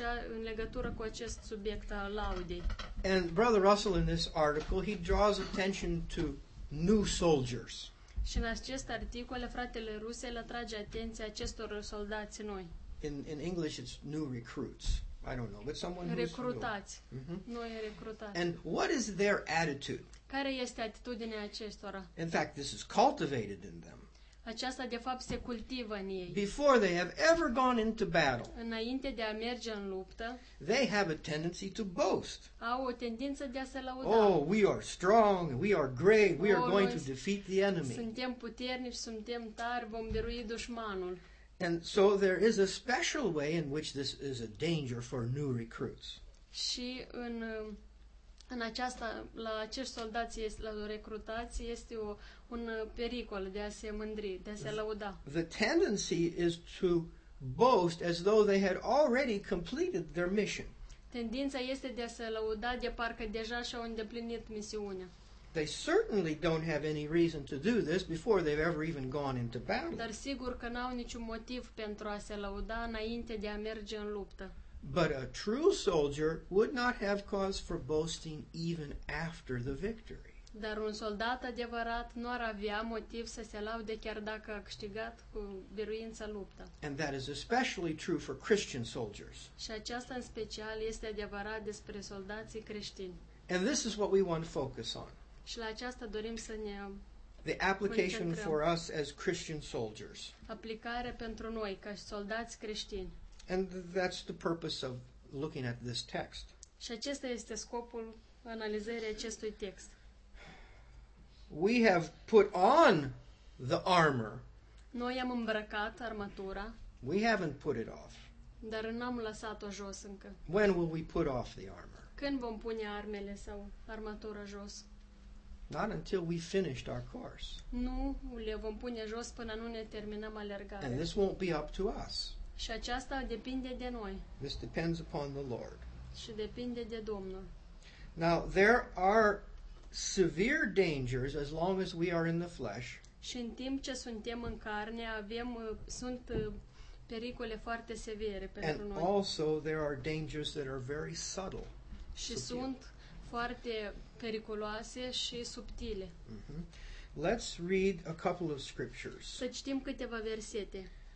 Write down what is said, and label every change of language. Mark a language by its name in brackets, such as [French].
[Romanian] În legătură cu acest subiect al laudei. [English] And Brother Russell in this article, he draws attention to new soldiers. [Romanian] Și în acest articol, fratele Russell atrage atenția acestor soldați noi. [English] In English it's new recruits. I don't know, but someone [Romanian] recrutați. Mm-hmm. Noi recrutați. [English] And what is their attitude? [Romanian] Care este atitudinea acestora? [English] In fact, this is cultivated in them. [Romanian] Aceasta de fapt se cultivă în ei. [English] Before they have ever gone into battle. [Romanian] Înainte de a merge în luptă. [English] They have a tendency to boast. [Romanian] Au o tendință de a se lauda. [English] Oh, we are strong, we are great, we are going to defeat the enemy. [Romanian] Suntem puternici, suntem tari, vom birui dușmanul. [English] And so there is a special way in which this is a danger for new recruits. [Romanian] Și în aceasta, la acești soldați, la recrutați, este un pericol de a se mândri, de a se lăuda. [English] The tendency is to boast as though they had already completed their mission. [Romanian] Tendința este de a se lăuda de parcă deja și-au îndeplinit misiunea. [English] They certainly don't have any reason to do this before they've ever even gone into battle. [Romanian] Dar sigur că n-au niciun motiv pentru a se lauda înainte de a merge în luptă. [English] But a true soldier would not have cause for boasting even after the victory. [Romanian] Dar un soldat adevărat nu ar avea motiv să se laude chiar dacă a câștigat cu biruința lupta. [English] And that is especially true for Christian soldiers. [Romanian] Și aceasta în special este adevărat despre soldații creștini. [English] And this is what we want to focus on. [Romanian] Și la aceasta dorim să ne [English] the application for us as Christian soldiers. [Romanian] Aplicarea pentru noi ca soldați creștini. [English] And that's the purpose of looking at this text. [Romanian] Și acesta este scopul analizării acestui text. [English] We have put on the armor. [Romanian] Noi am îmbrăcat armatura. [English] We haven't put it off. [Romanian] Dar n-am lăsat-o jos încă. [English] When will we put off the armor? [Romanian] Când vom pune armele sau armatura jos? [English] Not until we finished our course. [Romanian] Nu le vom pune jos până nu ne terminăm alergarea. [English] And this won't be up to us. [Romanian] Și aceasta depinde de noi. [English] This depends upon the Lord. [Romanian] Și depinde de Domnul. [English] Now there are severe dangers as long as we are in the flesh. [Romanian] Și în timp ce suntem în carne, sunt pericole foarte severe pentru [English] and [Romanian] noi. [English] And also there are dangers that are very subtle. [Romanian] Și sunt foarte periculoase și subtile. [English] Mm-hmm. Let's read a couple of scriptures. [Romanian] Să citim câteva versete.